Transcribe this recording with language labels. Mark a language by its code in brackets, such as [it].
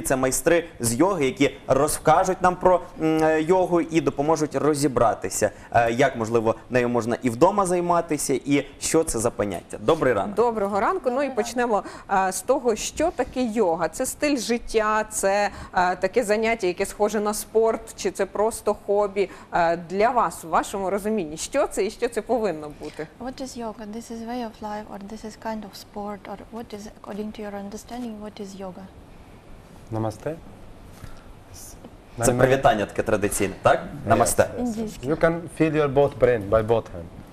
[uk] Це майстри з йоги, які розкажуть нам про йогу і допоможуть розібратися, як, можливо, нею можна і вдома займатися, і що це за поняття. Добрий ранок. Доброго ранку. Ну і почнемо з того, що таке йога. Це стиль життя, це таке заняття, яке схоже на спорт, чи це просто хобі для вас, у вашому розумінні. Що це і що це повинно бути? [en] What is yoga? This is way of life, or this is kind of sport, or what is, according to your understanding, what is yoga? [uk] Намасте. Це привітання таке традиційне, так? Намасте. [en] Yes. You can feel your both brain by both hands.